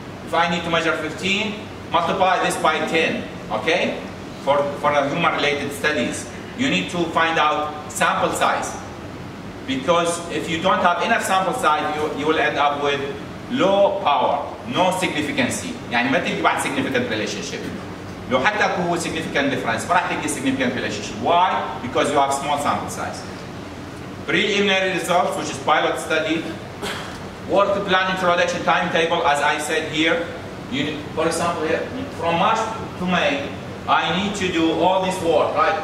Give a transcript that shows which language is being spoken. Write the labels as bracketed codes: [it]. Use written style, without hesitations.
[en] If I need to measure 15, multiply this by 10, okay? For the human-related studies. You need to find out sample size. Because if you don't have enough sample size, you will end up with low power, no significancy. [ar] يعني ما تلقى بعد significant relationship. لو حتى هو significant difference, ما راح تلقى significant relationship. [en] Why? Because you have small sample size. Preliminary results, which is pilot study. Work plan introduction timetable, as I said here. You need, for example, here, from March to May, I need to do all this work, right?